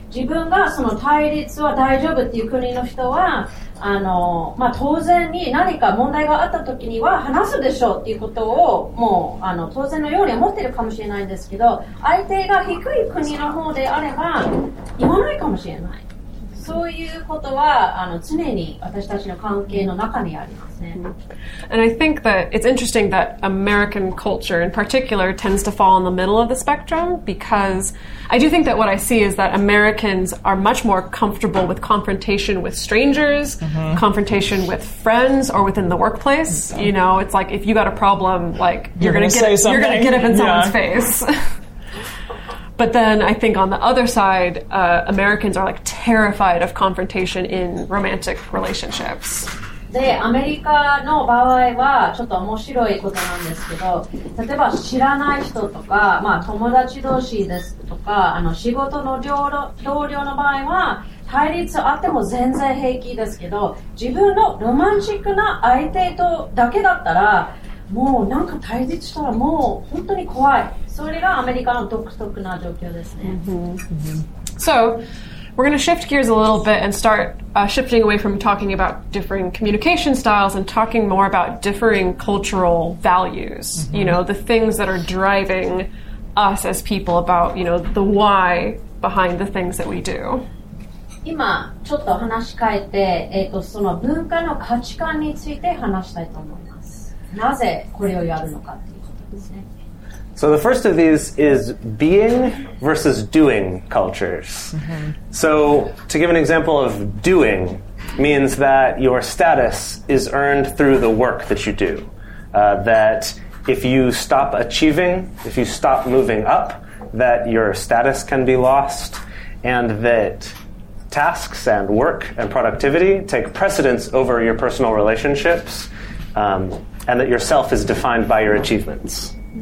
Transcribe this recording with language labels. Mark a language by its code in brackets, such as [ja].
[ja] 自分がその対立は大丈夫っていう国の人は、まあ、当然に何か問題があった時には話すでしょうっていうことをもう当然のように思ってるかもしれないんですけど、相手が低い国の方であれば言わないかもしれない。そういうことは常に私たちの関係の中にありますね。 [en] And I think that it's interesting that American culture in particular tends to fall in the middle of the spectrum, because I do think that what I see is that Americans are much more comfortable with confrontation with strangers, mm-hmm. confrontation with friends or within the workplace. Okay. You know, it's like if you got a problem, like you're gonna get up in someone's face. But then I think on the other side, Americans are like terrified of confrontation in romantic relationships. [ja] で、アメリカの場合はちょっと面白いことなんですけど、例えば知らない人とか、まあ、友達同士ですとか、仕事の同僚の場合は対立あっても全然平気ですけど、自分のロマンチックな相手とだけだったら、もうなんか対立したらもう本当に怖い。それがアメリカの独特な状況ですね。 [en] So, we're going to shift gears a little bit and start shifting away from talking about differing communication styles and talking more about differing cultural values, mm-hmm. you know, the things that are driving us as people about, you know, the why behind the things that we do. [ja] 今ちょっと話し変えて、その文化の価値観について話したいと思います。なぜこれをやるのかっていうことですね。 [en] So the first of these is being versus doing cultures. Mm-hmm. So to give an example of doing means that your status is earned through the work that you do. That if you stop achieving, if you stop moving up, that your status can be lost, and that tasks and work and productivity take precedence over your personal relationships, and that yourself is defined by your achievements.